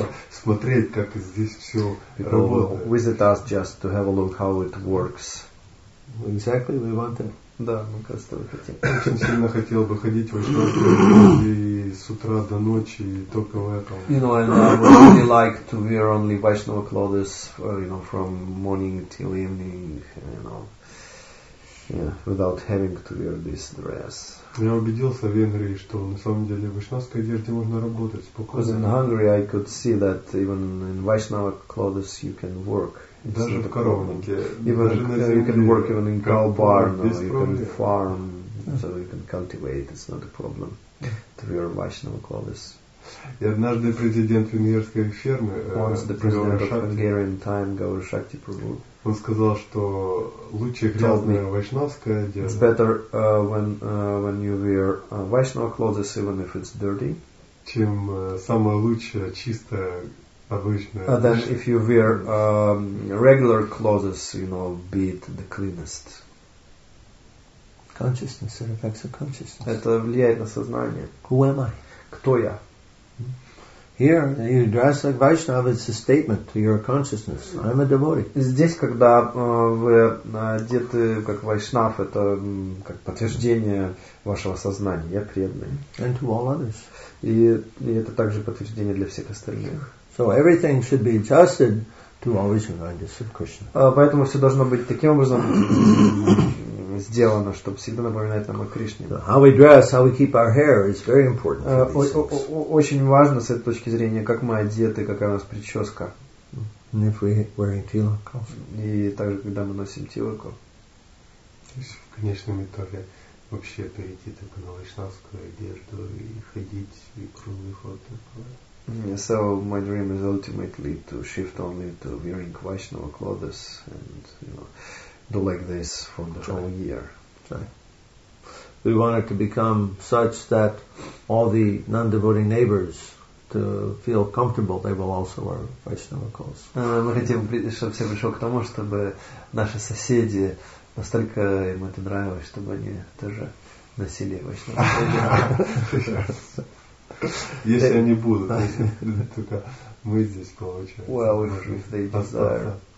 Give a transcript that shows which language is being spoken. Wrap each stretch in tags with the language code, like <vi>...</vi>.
<ru>Смотреть, как здесь все работает.</ru> <en>People will visit us just to have a look how it works. Exactly, we want it.</en> <ru>Да, мы как раз того хотим. Очень сильно хотел бы ходить в Вайшнавское и с утра до ночи и только в этом.</ru> <en>You know, and I would really like to wear only Vaishnava clothes, you know, from morning till evening, you know. Yeah, without having to wear this dress.</en> <ru>Я убедился в Венгрии, что на самом деле в вайшнавской одежде можно работать спокойно.</ru> <en>Because in Hungary I could see that even in Vaishnava clothes you can work.</en> <ru>Даже в коровнике.</ru> <en>Even you can work even in cow barn, you can farm, so you can cultivate. It's not a problem to wear Vaishnava clothes.</en> <ru>И однажды президент венгерской фермы, Gaur Shakti Prabhu, он сказал, что лучше грязная вайшнавская одежда.</ru> <en>It's better when you wear Vaishnava clothes, even if it's dirty,</en> <ru>чем самая лучшая чистая обычная.</ru> <en>And then if you wear regular clothes, you know, be it the cleanest. Consciousness, it affects your consciousness.</en> <ru>Это влияет на сознание.</ru> <en>Who am I?</en> <ru>Кто я?</ru> <en>Here, you dress like Vaishnava, it's a statement to your consciousness. I'm a devotee.</en> <ru>Здесь, когда вы одеты как вайшнав, это как подтверждение вашего сознания. Я преданный.</ru> <en>And to all others.</en> <ru>И это также подтверждение для всех остальных.</ru> <en>So everything should be adjusted to always remind us of Krishna.</en> <ru>Поэтому все должно быть таким образом сделано, чтобы всегда напоминать нам о Кришне.</ru> <en>So how we dress, how we keep our hair is very important.</en> <ru>Очень важно с этой точки зрения, как мы одеты, какая у нас прическа.</ru> <en>And if we wearing tilak.</en> <ru>И также, когда мы носим тилаку. То есть, в конечном итоге, вообще перейти только на вайшнавскую одежду и ходить, и круглый ход такой.</ru> <en>So my dream is ultimately to shift only to wearing Vaishnava clothes and, you know, do like this for the whole year. We want it to become such that all the non-devoting neighbors to feel comfortable, they will also wear Vaishnava clothes.</en> <ru>Мы хотим, чтобы все пришло к тому, чтобы наши соседи настолько им это нравилось, чтобы они тоже носили Vaishnava</ru> <en>clothes.</en> <ru>Если они будут, только мы здесь получаем.</ru> <en>Well, if they desire.</en>